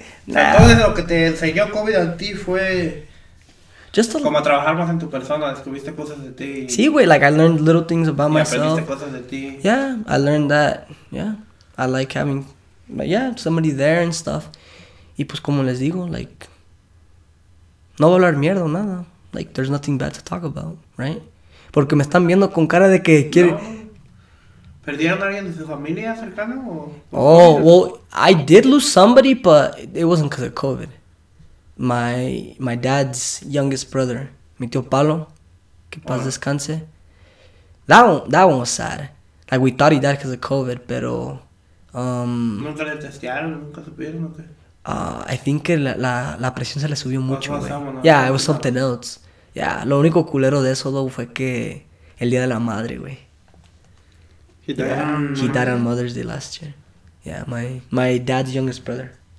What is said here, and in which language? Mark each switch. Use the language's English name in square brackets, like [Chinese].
[Spanish] Entonces, lo que te enseñó COVID a ti fue... [English] Just [Spanish] como a trabajar más en tu persona, descubriste cosas de ti. Sí, güey, [English] I learned little things about [Spanish] y [English] myself. [Spanish] Y aprendiste cosas de ti. [English] Yeah, I learned that, yeah. I like having, somebody there and stuff. [Spanish] Y pues, como les digo, no voy a hablar mierda o nada. [English] There's nothing bad to talk about, right? [Spanish] Porque me están viendo con cara de que quiere... No. ¿Perdieron a alguien de su familia cercana o...? [English] Oh, well, I did lose somebody, but it wasn't because of COVID. My dad's youngest brother, [Spanish] mi tío Palo, que paz descanse. [English] That one was sad. We thought he died because of COVID, pero... [Spanish] ¿Nunca le testearon? ¿Nunca supieron o qué? [English] I think [Spanish] que la presión se le subió mucho, güey. [English] Yeah, it was something else. [Spanish] Ya, yeah, lo único culero de eso, though, fue que el día de la madre, güey. [English] He died on Mother's Day last year. Yeah, my dad's youngest brother.